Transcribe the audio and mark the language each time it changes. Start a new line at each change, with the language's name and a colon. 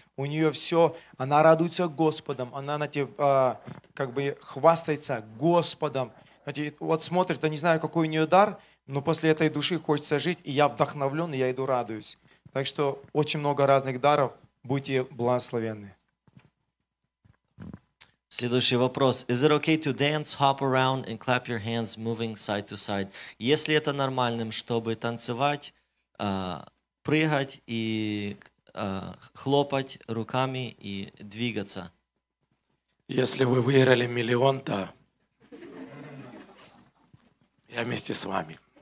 Russian: У нее все, она радуется Господом, она, знаете, как бы хвастается Господом. Знаете, вот смотришь, да не знаю, какой у нее дар, Но после этой души хочется жить, и я вдохновлен, и я иду радуюсь. Так что очень много разных даров. Будьте благословенны. Следующий вопрос.
English: Is it okay to dance, hop around and clap your hands, moving side to side?
Russian: Если это нормальным, чтобы танцевать, прыгать и хлопать руками и двигаться? Если вы выиграли миллион, то я вместе с вами.